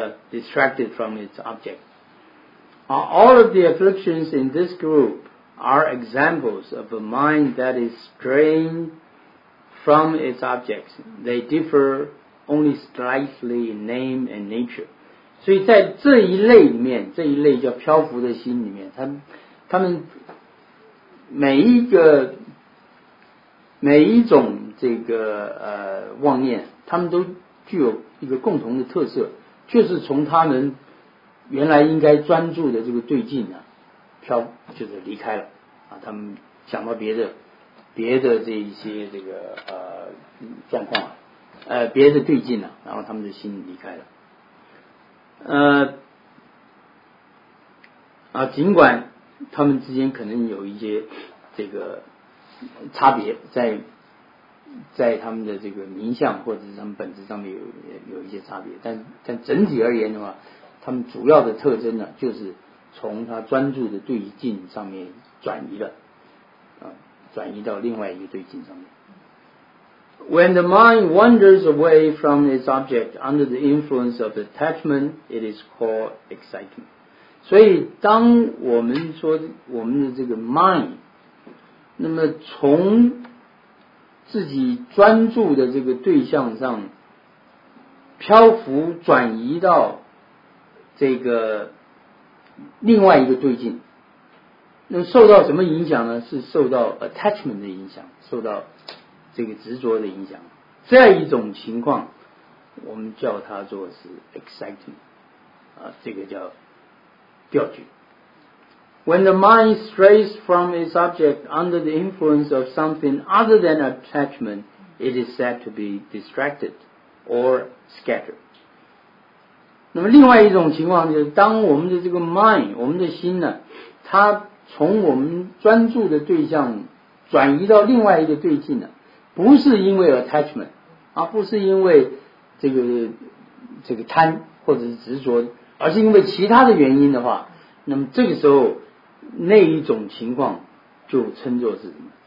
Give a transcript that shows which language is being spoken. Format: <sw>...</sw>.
<en>Distracted from its object. All of the afflictions in this group are examples of a mind that is straying from its objects. They differ only slightly in name and nature.</en> <zh>所以在这一类里面，这一类叫漂浮的心里面，他们每一种这个妄念，他们都具有一个共同的特色。就是从他们原来应该专注的这个对境啊飘就是离开了啊他们想到别的这一些这个状况啊别的对境了，然后他们的心离开了。尽管他们之间可能有一些这个差别，在他们的这个名相或者是他们本质上面有一些差别，但整体而言的话，他们主要的特征呢，就是从他专注的对境上面转移了，转移到另外一个对境上面。</zh> <en>When the mind wanders away from its object under the influence of attachment, it is called excitement.</en> <zh>所以当我们说我们的这个 mind, 那么从自己专注的这个对象上漂浮转移到这个另外一个对境，那受到什么影响呢？是受到 attachment 的影响，受到这个执着的影响，这样一种情况我们叫它做是 excitement, 这个叫调举。</zh> <en>When the mind strays from its object under the influence of something other than attachment, it is said to be distracted or scattered.</en> <zh>那么另外一种情况就是当我们的这个 mind, 我们的心呢，它从我们专注的对象转移到另外一个对境呢，不是因为 attachment, 不是因为这个贪或者是执着，而是因为其他的原因的话，那么这个时候那一种情况就称作是什么？</zh>